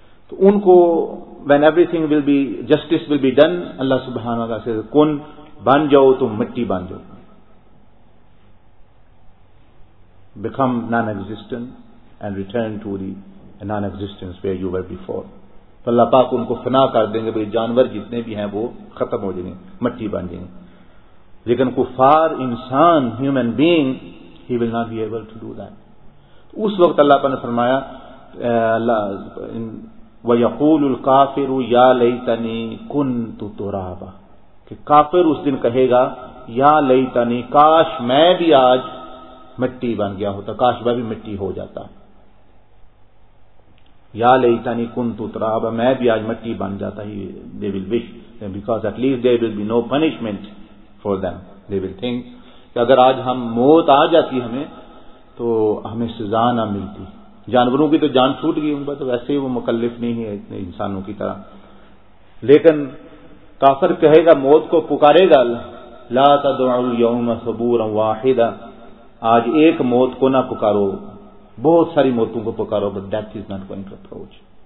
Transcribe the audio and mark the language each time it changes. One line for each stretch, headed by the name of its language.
English: To unko, when everything will be, justice will be done, Allah subhanahu wa ta'ala says, kun
Urdu: ban jao tum mitti ban jao,
English: become non-existent and return to the non-existence where you were before.
Urdu: تو اللہ پاک ان کو فنا کر دیں گے, بھائی جانور جتنے بھی ہیں وہ ختم ہو جائیں گے, مٹی بن جائیں گے. لیکن کفار, انسان, human being,
English: He will not be able to do that.
Urdu: اس وقت اللہ پاک نے فرمایا,
Arabic: وَيَقُولُ الْكَافِرُ يَا لَيْتَنِي كُنْتُ تُرَابًا,
Urdu: کہ کافر اس دن کہے گا, یا لَيْتَنِي, کاش میں بھی آج مٹی بن گیا ہوتا, کاش میں بھی مٹی ہو جاتا.
Arabic: یا لیتنی کنت ترابا,
Urdu: میں بھی آج مٹی بن جاتا.
English: He they will wish, because at least there will be no punishment for them. They will think
Urdu: کہ اگر آج ہم, موت آ جاتی ہمیں تو ہمیں سزا نہ ملتی. جانوروں کی تو جان چھوٹ گئی, ان کا تو ویسے ہی وہ مکلف نہیں ہے اتنے انسانوں کی طرح. لیکن کافر کہے گا, موت کو پکارے گا,
Arabic: لا تدعوا اليوم ثبورا واحدا,
Urdu: آج ایک موت کو نہ پکارو, بہت ساری موتوں کو پکارو,
English: But death is not going to approach.